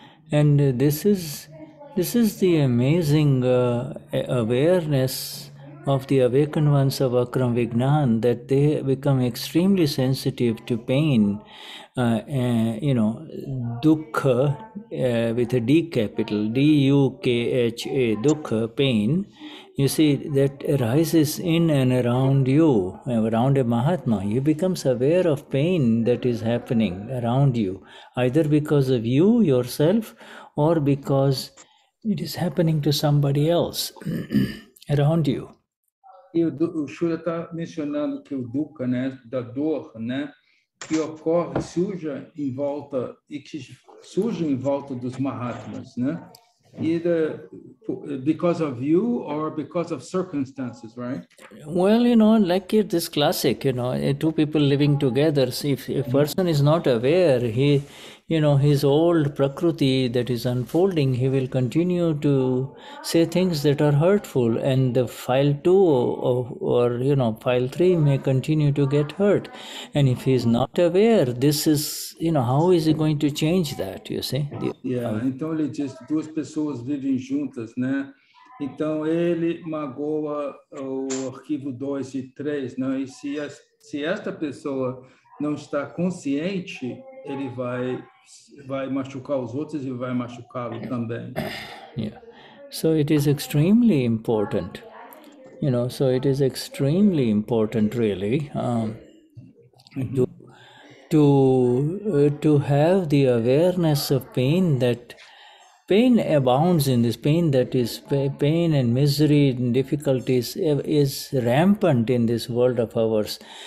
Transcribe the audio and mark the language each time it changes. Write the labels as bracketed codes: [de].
[en] And this is the amazing awareness of the awakened ones of Akram Vignan, that they become extremely sensitive to pain, you know, dukkha, with a D capital, D-U-K-H-A, dukkha, pain, you see, that arises in and around you, around a Mahatma. You become aware of pain that is happening around you, either because of you yourself or because it is happening to somebody else around you. [pt] E o Shura está mencionando que o dukkha, né, da dor, né, que ocorre, surge em volta, e que surge em volta dos Mahatmas, né? [en] Either because of you or because of circumstances, right? Well, you know, like this classic, you know, two people living together, see, if a person is not aware, he, you know, his old prakriti that is unfolding, he will continue to say things that are hurtful, and the file two or you know, file three may continue to get hurt. And if he is not aware, this is, you know, how is he going to change that, you see? [pt] Yeah, então ele diz, duas pessoas vivem juntas, né? Então ele magoa o arquivo 2 e 3, não? E se esta pessoa não está consciente, ele vai machucar os outros e vai machucá-lo também. [en] Yeah. So it is extremely important. You know, so it is extremely important really to have the awareness of pain, that pain abounds in this, pain that is pain and misery and difficulties is rampant in this world of ours.